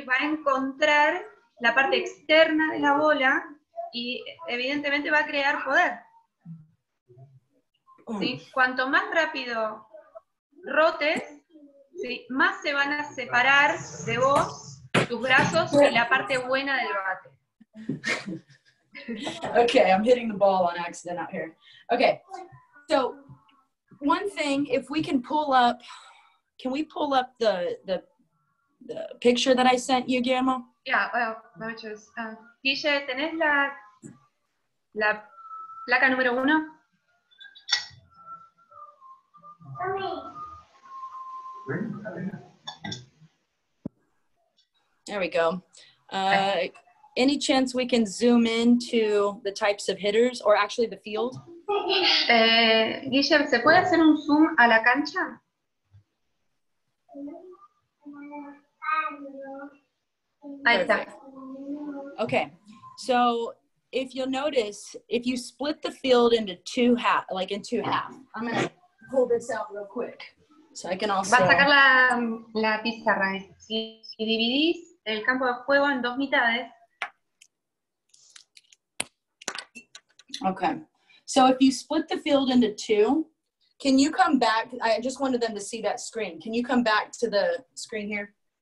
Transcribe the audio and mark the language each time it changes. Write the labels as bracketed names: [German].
[Spanish] Va a encontrar la parte externa de la bola y evidentemente va a crear poder. ¿Sí? Cuanto más rápido rotes, ¿sí? Más se van a separar de vos Tus brazos y la parte buena del bate. [English] Okay, I'm hitting the ball on accident out here. Okay, so one thing, if we can pull up, can we pull up the picture that I sent you, Guillermo? Yeah, well, let me choose. Guille, [Spanish] ¿tenés la placa número uno? [English] There we go. Any chance we can zoom in to the types of hitters, or actually the field? [Spanish] Guillermo, ¿se puede hacer un zoom a la cancha? Ahí está. [English] Okay, so if you'll notice, if you split the field into two half, like in two half, I'm gonna pull this out real quick, so I can also... [Spanish] Va a sacar la pizarra. Si dividís el campo de juego en dos mitades. [English] Okay, so if you split the field into two, can you come back? I just wanted them to see that screen. Can you come back to the screen here?